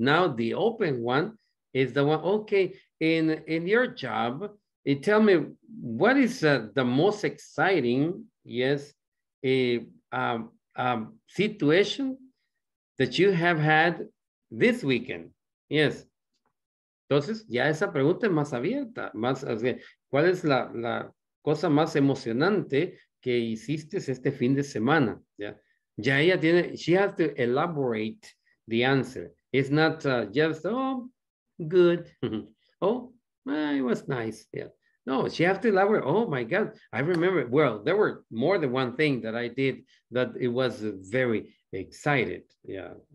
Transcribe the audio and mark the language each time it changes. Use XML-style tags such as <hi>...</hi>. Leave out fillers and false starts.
<en>Now the open one is the one, okay, in your job, tell me what is the most exciting, yes, situation that you have had this weekend?</en> <es>Yes. Entonces, ya esa pregunta es más abierta. Más, ¿cuál es la cosa más emocionante que hiciste este fin de semana? Ya ella tiene,</es> <en>she has to elaborate the answer. It's not just, oh, good. Oh, it was nice. Yeah. No, she has to elaborate. Oh my God, I remember. Well, there were more than one thing that I did that it was very excited. Yeah.</en>